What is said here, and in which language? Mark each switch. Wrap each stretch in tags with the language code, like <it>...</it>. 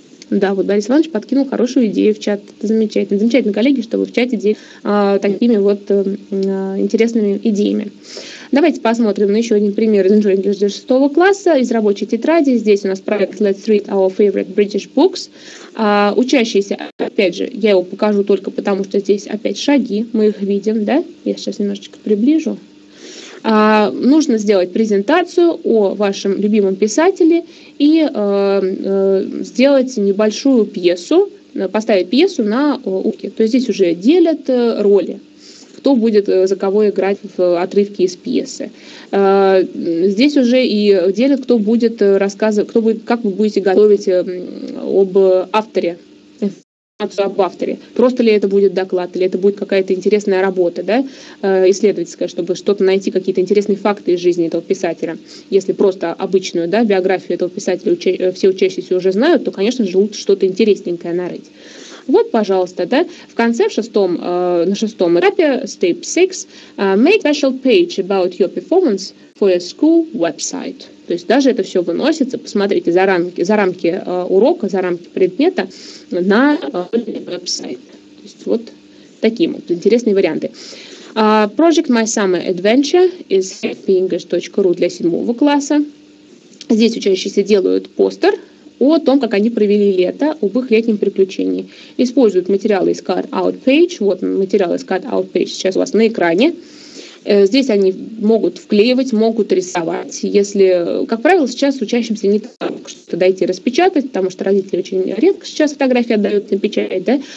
<ru>Да, вот Борис Иванович подкинул хорошую идею в чат. Это замечательно. Замечательно, коллеги, что вы в чате делитесь такими вот интересными идеями. Давайте посмотрим на еще один пример из Enjoy English для 6 класса, из рабочей тетради. Здесь у нас проект Let's Read Our Favorite British Books. Учащиеся, опять же, я его покажу только потому, что здесь опять шаги, мы их видим, да? Я сейчас немножечко приближу. Нужно сделать презентацию о вашем любимом писателе и сделать небольшую пьесу, поставить пьесу на уроке. То есть здесь уже делят роли, кто будет за кого играть в отрывке из пьесы. Здесь уже и делят, кто будет рассказывать, как вы будете готовить об авторе. Об авторе. Просто ли это будет доклад, или это будет какая-то интересная работа, да, исследовательская, чтобы что-то найти, какие-то интересные факты из жизни этого писателя. Если просто обычную, да, биографию этого писателя все учащиеся уже знают, то, конечно же, лучше что-то интересненькое нарыть. Вот, пожалуйста, да, в конце, на шестом этапе,</ru> <en>step 6, make special page about your performance for your school website.</en> <ru>То есть даже это все выносится, посмотрите, за рамки урока, за рамки предмета на веб-сайт. То есть вот такие вот интересные варианты. Project My Summer Adventure из happyenglish.ru для 7 класса. Здесь учащиеся делают постер о том, как они провели лето, об их летнем приключении. Используют материалы из cut-out page. Вот материалы из cut-out page сейчас у вас на экране. Здесь они могут вклеивать, могут рисовать. Если, как правило, сейчас учащимся не так что-то дойти распечатать, потому что родители очень редко сейчас фотографии отдают на печать, да.</ru>